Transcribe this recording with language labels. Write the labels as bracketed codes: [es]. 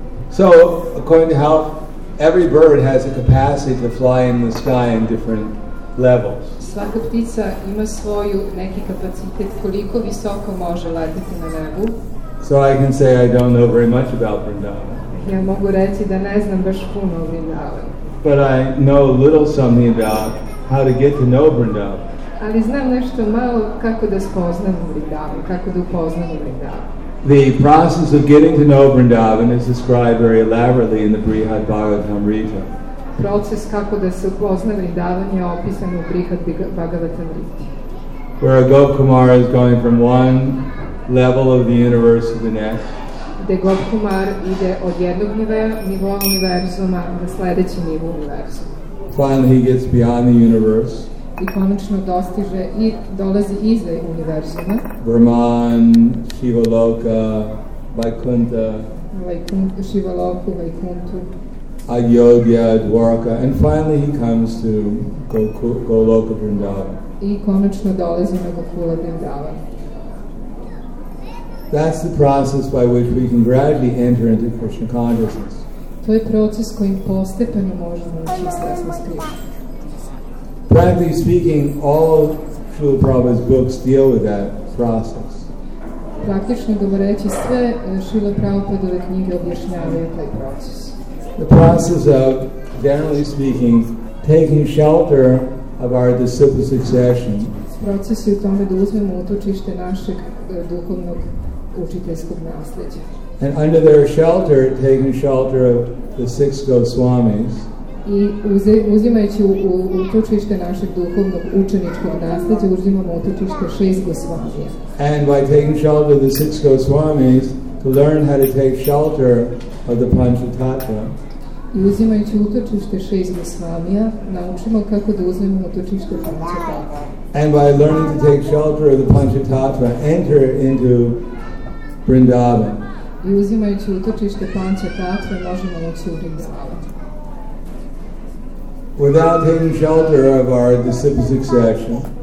[en] So, according to how every bird has a capacity to fly in the sky in different levels. [sr] Svaka ptica ima svoju neki kapacitet koliko visoko može leteti na nebu. [en] So I can say I don't know very much about Vrindavan. [sr] Ja mogu reći da ne znam baš puno o Vrindavanu. [en] But I know a little something about how to get to know Vrindavan. [sr] Ali znam nešto malo kako da spoznam Vrindavan, kako da upoznam Vrindavan. [en] The process of getting to know Vrindavan is described very elaborately in the Brihad Bhagavatamrita. [sr] Proces kako da se upozna Vrindavan je opisan u Brihad Bhagavatamriti. [en] Where a Gopkumara is going from one level of the universe to the next. [sr] Gde Gopkumar ide od jednog nivoa univerzuma na sledeći nivo univerzuma. [en] Finally he gets beyond the universe. [sr] I konačno dostiže i dolazi iza univerzuma. [en] Brahman, Shivaloka, Vaikuntha. [sr] Shivaloku, Vaikuntha. [en] Ayodhya, Dwarka, and finally he comes to Goloka Vrindavan. [sr] I konačno dolazi na Gokula Vrindavan. [en] That's the process by which we can gradually enter into Krishna consciousness. [sr] To je proces kojim postepeno možemo ući u svesnost Krishne. [en] Practically speaking, all Srila Prabhupada's books deal with that process. [sr] Praktično govoreći, sve Srila Prabhupadove knjige objašnjavaju taj proces. [en] The process of, generally speaking, taking shelter of our disciple succession. [sr] Proces je u tome da uzmemo utočište našeg duhovnog učiteljskog nasleđa. [en] And under their shelter, taking shelter of the six Goswamis. [sr] I uzimajući utočište našeg duhovnog učeničkog nasleđa, uzimamo utočište šest Goswamija. [en] And by taking shelter of the six Goswamis, to learn how to take shelter of the Panchatattva. [sr] I uzimajući utočište šest Goswamija, naučimo kako da uzmemo utočište Panchatattva. [en] And by learning to take shelter of the Panchatattva, enter into Vrindavan. [sr] I uzimajući utočište Panchatattva, možemo ući u Vrindavan. [en] Without taking shelter of our disciple succession.